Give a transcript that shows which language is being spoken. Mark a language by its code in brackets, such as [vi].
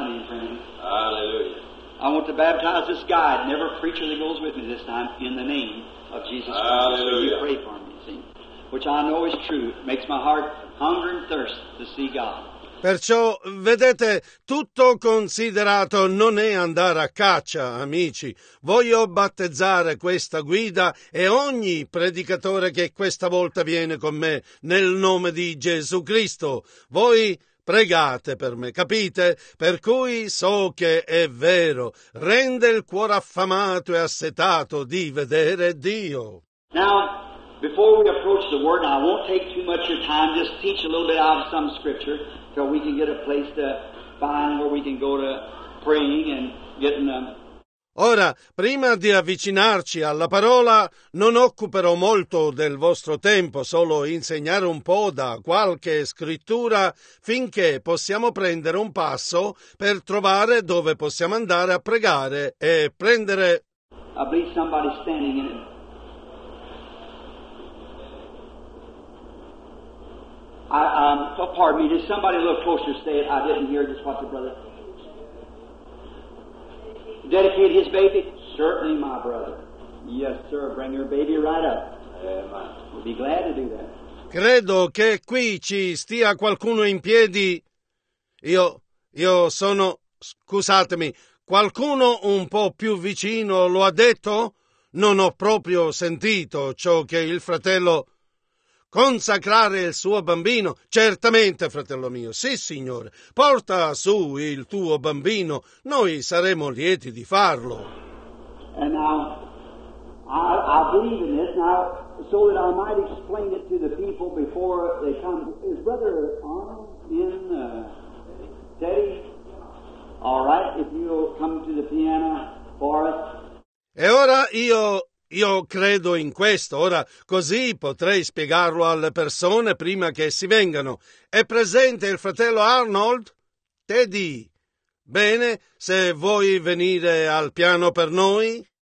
[en] I want to baptize this guy, never preacher that goes with me this time, in the name of Jesus Christ. Hallelujah. So you pray for me, see? Which I know is true. It makes my heart hunger and thirst to see God. [it] Perciò, vedete, tutto considerato non è andare a caccia, amici. Voglio battezzare questa guida e ogni predicatore che questa volta viene con me nel nome di Gesù Cristo. Voi pregate per me, capite? Per cui so che è vero, rende il cuore affamato e assetato di vedere Dio. [en] Now, before we approach the word, I won't take too much of your time, just teach a little bit out of some scripture, so we can get a place to find where we can go to praying and getting them. [it] Ora, prima di avvicinarci alla parola, non occuperò molto del vostro tempo, solo insegnare un po' da qualche scrittura finché possiamo prendere un passo per trovare dove possiamo andare a pregare e prendere. [en] I believe somebody's standing in it. Pardon me, did somebody a little closer say it? I didn't hear just what the brother. Dedicate his baby? Certainly, my brother. Yes, sir. Bring your baby right up. We'll be glad to do that. [it] Credo che qui ci stia qualcuno in piedi. Io sono, scusatemi, qualcuno un po' più vicino lo ha detto? Non ho proprio sentito ciò che il fratello... Consacrare il suo bambino? Certamente, fratello mio, sì, signore. Porta su il tuo bambino, noi saremo lieti di farlo. [en] And I believe in this now, so that I might explain it to the people before they come. Is Brother Arnold in, Teddy? All right, if you'll come to the piano for us. [it] E ora io credo in questo, ora così potrei spiegarlo alle persone prima che si vengano. È presente il fratello Arnold? Teddy, bene, se vuoi venire al piano per noi?